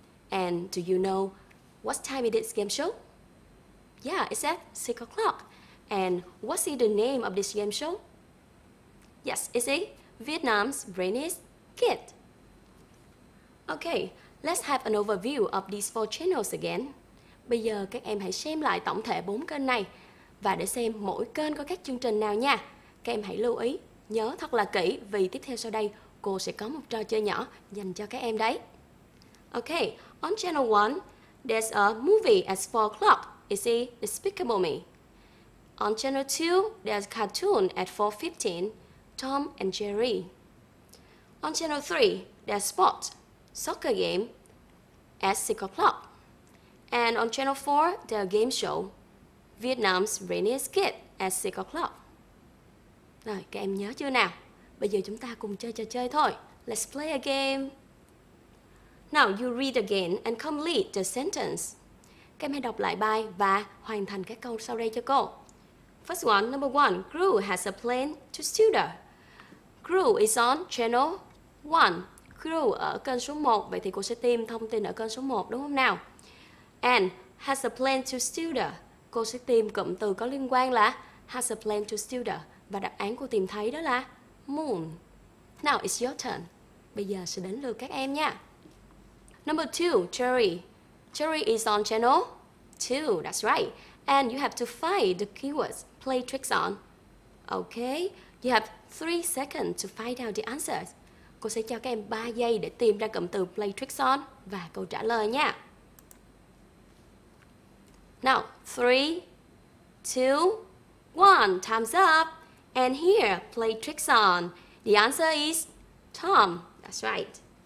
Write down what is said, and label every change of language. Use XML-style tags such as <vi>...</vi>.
<en>And do you know what time it is game show? Yeah, it's at 6 o'clock. And what's the name of this game show? Yes, it's a Vietnam's Brainiest Kid. Okay, let's have an overview of these four channels again.</en> <vi>Bây giờ các em hãy xem lại tổng thể bốn kênh này và để xem mỗi kênh có các chương trình nào nha. Các em hãy lưu ý, nhớ thật là kỹ vì tiếp theo sau đây cô sẽ có một trò chơi nhỏ dành cho các em đấy.</vi> <en>Okay, on channel 1, there's a movie at 4 o'clock. Is it Despicable Me? On channel 2, there's a cartoon at 4:15, Tom and Jerry. On channel 3, there's sport, soccer game, at 6 o'clock. And on channel 4, there's a game show, Vietnam's Rainiest Kid, at 6 o'clock.</en> <vi>Rồi, các em nhớ chưa nào? Bây giờ chúng ta cùng chơi trò chơi thôi.</vi> <en>Let's play a game. Now you read again and complete the sentence.</en> <vi>Các em hãy đọc lại bài và hoàn thành các câu sau đây cho cô.</vi> <en>First one, number one, Gru has a plan to steal her. Gru is on channel 1.</en> <vi>Gru ở kênh số 1, vậy thì cô sẽ tìm thông tin ở kênh số 1 đúng không nào?</vi> <en>And has a plan to steal her.</en> <vi>Cô sẽ tìm cụm từ có liên quan là</vi> <en>has a plan to steal her.</en> <vi>Và đáp án cô tìm thấy đó là moon.</vi> <en>Now it's your turn.</en> <vi>Bây giờ sẽ đến lượt các em nha.</vi> <en>Number 2, Cherry. Cherry is on channel 2, that's right. And you have to find the keywords, play tricks on. Okay, you have 3 seconds to find out the answers.</en> <vi>Cô sẽ cho các em 3 giây để tìm ra cụm từ</vi> <en>play tricks on</en> <vi>và câu trả lời nha.</vi> <en>Now, 3, 2, 1, time's up. And here, play tricks on. The answer is Tom, that's right.</en>